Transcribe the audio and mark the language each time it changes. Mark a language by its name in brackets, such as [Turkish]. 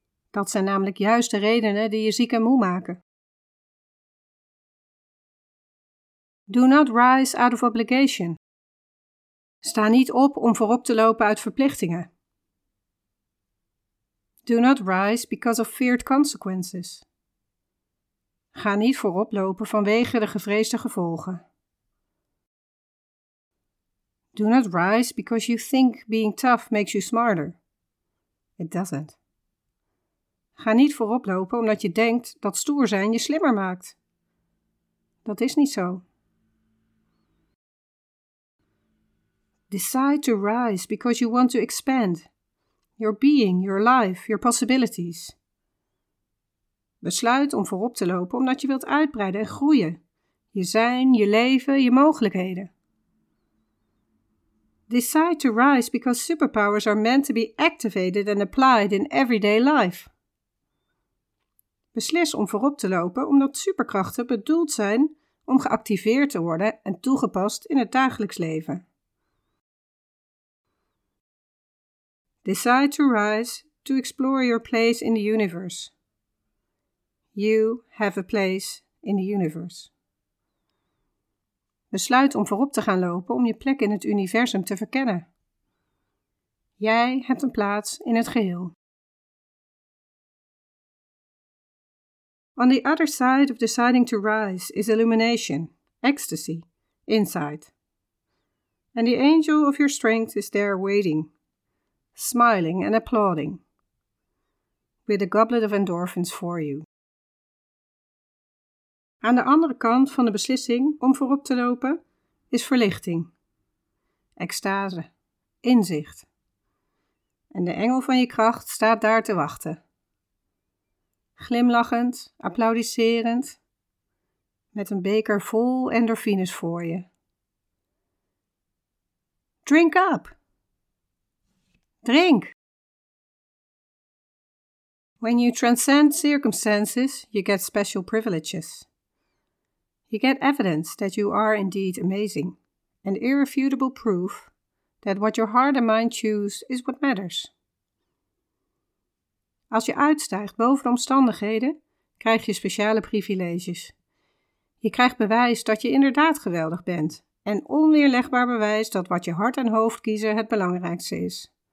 [Dutch] Dat zijn namelijk juist de redenen die je ziek en moe maken. [English] Do not rise out of obligation. [Dutch] Sta niet op om voorop te lopen uit verplichtingen. [English] Do not rise because of feared consequences. [Dutch] Ga niet voorop lopen vanwege de gevreesde gevolgen. [English] Do not rise because you think being tough makes you smarter. It doesn't. [Dutch] Ga niet voorop lopen omdat je denkt dat stoer zijn je slimmer maakt. Dat is niet zo. [English] Decide to rise because you want to expand your being, your life, your possibilities. [Dutch] Besluit om voorop te lopen omdat je wilt uitbreiden en groeien. Je zijn, je leven, je mogelijkheden. [English] Decide to rise because superpowers are meant to be activated and applied in everyday life. [Dutch] Beslis om voorop te lopen omdat superkrachten bedoeld zijn om geactiveerd te worden en toegepast in het dagelijks leven. [English] Decide to rise to explore your place in the universe. You have a place in the universe. [Dutch] Besluit om voorop te gaan lopen om je plek in het universum te verkennen. Jij hebt een plaats in het geheel. [English] On the other side of deciding to rise is illumination, ecstasy, insight. And the angel of your strength is there waiting, smiling and applauding, with a goblet of endorphins for you. [Dutch] Aan de andere kant van de beslissing om voorop te lopen is verlichting, extase, inzicht. En de engel van je kracht staat daar te wachten. Glimlachend, applaudisserend, met een beker vol endorfines voor je. [English] Drink up! Drink! When you transcend circumstances, you get special privileges. You get evidence that you are indeed amazing, and irrefutable proof that what your heart and mind choose is what matters. [Dutch] Als je uitstijgt boven de omstandigheden, krijg je speciale privileges. Je krijgt bewijs dat je inderdaad geweldig bent, en onweerlegbaar bewijs dat wat je hart en hoofd kiezen het belangrijkste is.